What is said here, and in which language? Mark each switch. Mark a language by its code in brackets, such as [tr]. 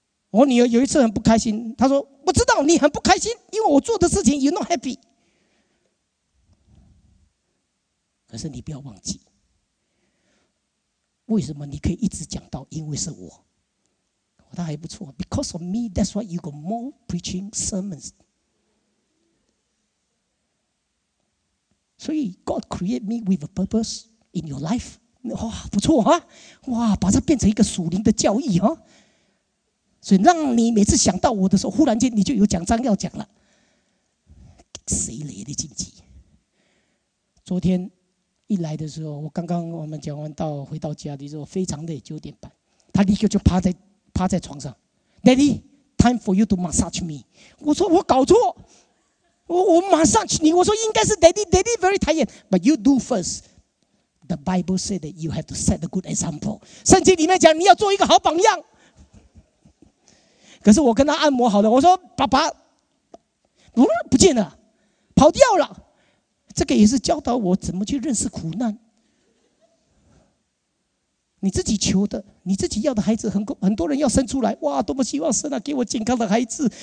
[zh] 我女儿有一次很不开心，她说我知道你很不开心，因为我做的事情 [en] you're not happy， [zh] 可是你不要忘记为什么你可以一直讲到，因为是我，我倒还不错。 [en] Because of me, that's why you got more preaching sermons. 所以 God create me with a purpose in your life. [zh] 哇，不错啊！哇，把它变成一个属灵的教义啊！所以让你每次想到我的时候，忽然间你就有讲章要讲了。谁来的禁忌？昨天一来的时候，我刚刚我们讲完到回到家的时候，非常累，九点半，他立刻就趴在床上 ， [en] Daddy, time for you to massage me。 [zh] 我说我搞错，我 massage 你，我说应该是 [en] Daddy very tired, but you do first. The Bible said that you have to set a good example. [zh] 圣经里面讲你要做一个好榜样。可是我跟他按摩好了，我说爸爸，不见了，跑掉了。这个也是教导我怎么去认识苦难。你自己求的，你自己要的孩子，很多人要生出来，哇，多么希望神啊，给我健康的孩子。